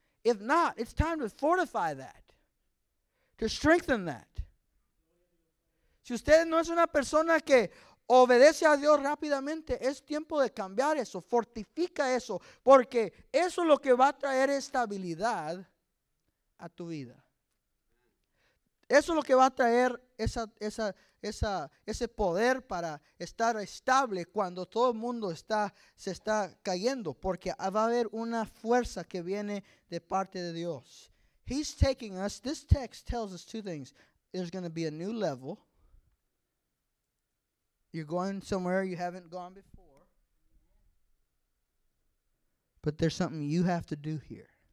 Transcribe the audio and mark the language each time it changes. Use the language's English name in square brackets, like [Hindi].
[English] If not, it's time to fortify that, to strengthen that. [Spanish] Si usted no es una persona que obedece a Dios rápidamente, es tiempo de cambiar eso. Fortifica eso, porque eso es lo que va a traer estabilidad a tu vida. Eso es lo que va a traer ese poder para estar estable cuando todo el mundo se está cayendo, porque va a haber una fuerza que viene de parte de Dios. [English] He's taking us, this text tells us two things. There's going to be a new level. You're going somewhere you haven't gone before. But there's something you have to do here.